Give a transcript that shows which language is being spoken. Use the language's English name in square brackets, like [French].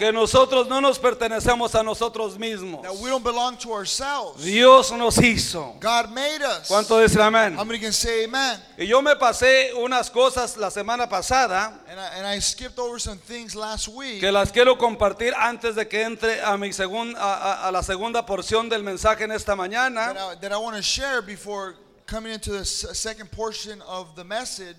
[Spanish] Que nosotros no nos pertenecemos a nosotros mismos. [English] That we don't belong to ourselves. [Spanish] Dios nos hizo. [English] God made us. [Spanish] ¿Cuánto dicen amén? [English] How many can say amen? [Spanish] Y yo me pasé unas cosas la semana pasada. [English] And I skipped over some things last week. [Spanish] Que las quiero compartir antes de que entre a la segunda porción del mensaje en esta mañana. [English] That I want to share before coming into the second portion of the message.